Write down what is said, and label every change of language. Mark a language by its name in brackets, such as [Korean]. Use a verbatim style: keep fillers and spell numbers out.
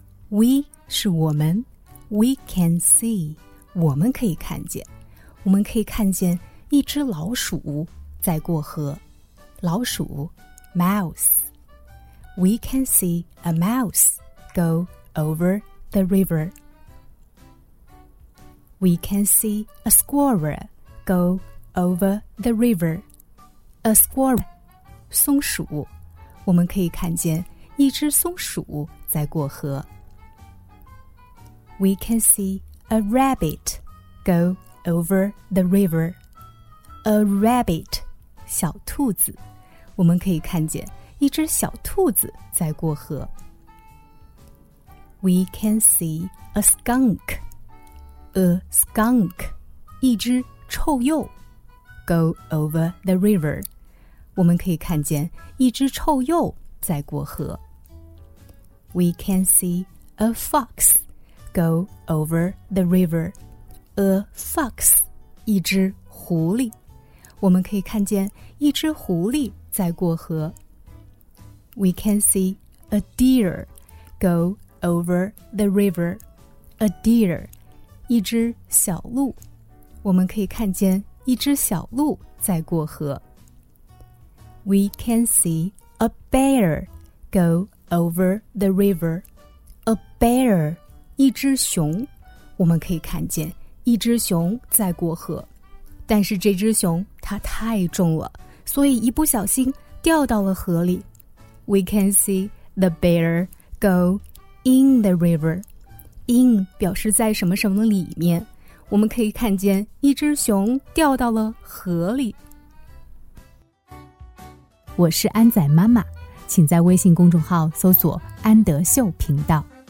[Chinese] We 是我们 ， [English] We can see [Chinese] 我们可以看见，我们可以看见一只老鼠在过河。老鼠 mouse. [English] We can see a mouse go over the river. We can see a squirrel go over the river. A squirrel. [Chinese] 松鼠，我们可以看见一只松鼠在过河。 [English] We can see a rabbit go over the river. A rabbit, [Chinese] 小兔子，我们可以看见一只小兔子在过河。 [English] We can see a skunk. A skunk, [Chinese] 一只臭鼬 [English] go over the river. [Chinese] 我们可以看见一只臭鼬在过河。 [English] We can see a fox go over the river. A fox, [Chinese] 一只狐狸。我们可以看见一只狐狸在过河。 [English] We can see a deer go over the river. A deer, [Chinese] 一只小鹿。我们可以看见一只小鹿在过河。 [English] We can see a bear go over the river. A bear, [Chinese] 一只熊，我们可以看见一只熊在过河，但是这只熊它太重了，所以一不小心掉到了河里。 [English] We can see the bear go in the river. [Chinese] In 表示在什么什么里面，我们可以看见一只熊掉到了河里。我是安仔妈妈，请在微信公众号搜索安德秀频道。